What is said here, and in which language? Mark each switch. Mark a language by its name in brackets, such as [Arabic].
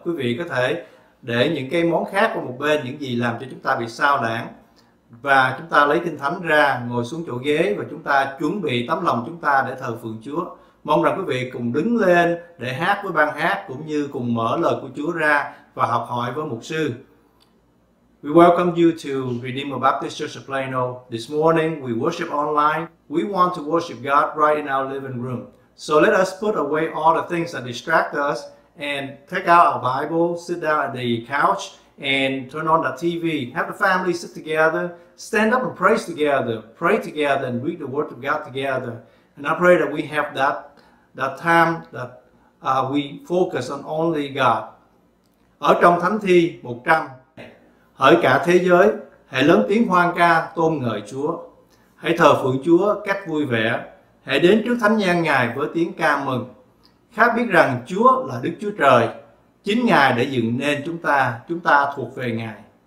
[Vietnamese] Quý vị có thể để những cái món khác qua một bên, những gì làm cho chúng ta bị sao lãng. Và chúng ta lấy Kinh Thánh ra, ngồi xuống chỗ ghế và chúng ta chuẩn bị tấm lòng chúng ta để thờ phượng Chúa. Mong rằng quý vị cùng đứng lên để hát với ban hát, cũng như cùng mở lời của Chúa ra và học hỏi với mục sư. [English] We welcome you to Redeemer Baptist Church of Plano. This morning we worship online. We want to worship God right in our living room. So let us put away all the things that distract us and take out our Bible, sit down at the couch and turn on the TV. Have the family sit together, stand up and praise together, pray together and read the Word of God together. And I pray that we have that time that we focus on only God. [Vietnamese] Ở trong Thánh Thi 100, hỡi cả thế giới, hãy lớn tiếng hoan ca tôn ngợi Chúa. Hãy thờ phượng Chúa cách vui vẻ, hãy đến trước thánh nhan Ngài với tiếng ca mừng. Khá biết rằng Chúa là Đức Chúa Trời, chính Ngài đã dựng nên chúng ta thuộc về Ngài.